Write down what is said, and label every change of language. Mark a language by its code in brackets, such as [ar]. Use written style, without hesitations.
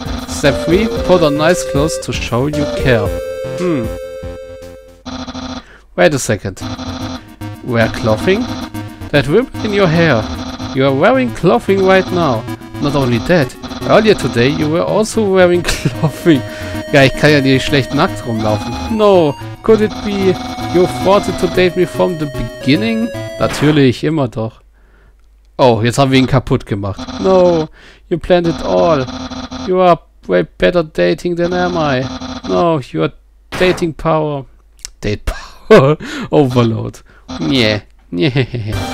[en] Step 3, put on nice clothes to show you care. Wait a second. Wear clothing? That ribbon in your hair. You are wearing clothing right now. Not only that, earlier today you were also wearing clothing. [de] Ja, ich kann ja nicht schlecht nackt rumlaufen. [en] No, could it be you wanted to date me from the beginning? [de] Natürlich, immer doch. Oh, jetzt haben wir ihn kaputt gemacht. [en] No, you planned it all. You are way better dating than am I. No, you are dating power. Date power. Overload. Nyeh. Nyeh.